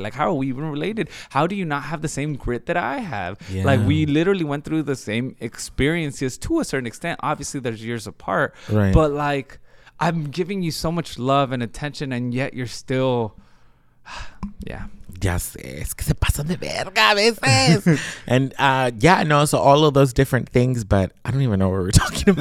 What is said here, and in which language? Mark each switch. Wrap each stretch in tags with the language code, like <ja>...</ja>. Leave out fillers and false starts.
<en>Like, how are we even related? How do you not have the same grit that I have? Yeah. Like, we literally went through the same experiences to a certain extent. Obviously, there's years apart. Right. But, like, I'm giving you so much love and attention, and yet you're still... Yeah.</en> <es>Ya sé, es que se pasan de verga a veces.</es> <en>And yeah, no, so all of those different things, but I don't even know what we're talking about.</en>